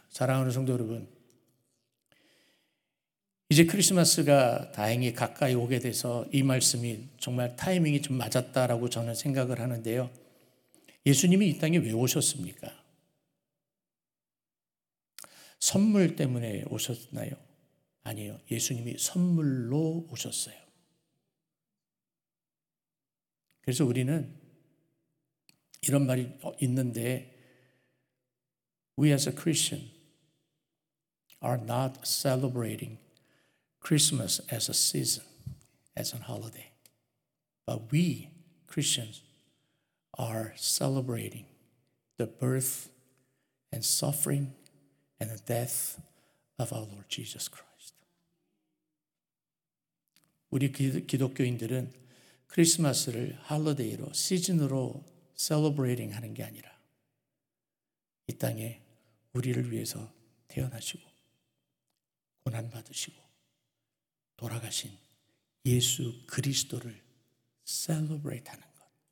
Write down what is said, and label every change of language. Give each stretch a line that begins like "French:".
Korean: 사랑하는 성도 여러분, 이제 크리스마스가 다행히 가까이 오게 돼서 이 말씀이 정말 타이밍이 좀 맞았다라고 저는 생각을 하는데요. 예수님이 이 땅에 왜 오셨습니까? 선물 때문에 오셨나요? 아니에요. 예수님이 선물로 오셨어요. 그래서 우리는 이런 말이 있는데
English: We as a Christian are not celebrating Christmas as a season, as a holiday. But we Christians are celebrating the birth and suffering and the death of our Lord Jesus Christ.
Korean: 우리 기독교인들은 크리스마스를 할리데이로, 시즌으로 celebrating 하는 게 아니라 이 땅에 우리를 위해서 태어나시고 고난받으시고 돌아가신 예수 그리스도를 셀러브레이트 하는 것.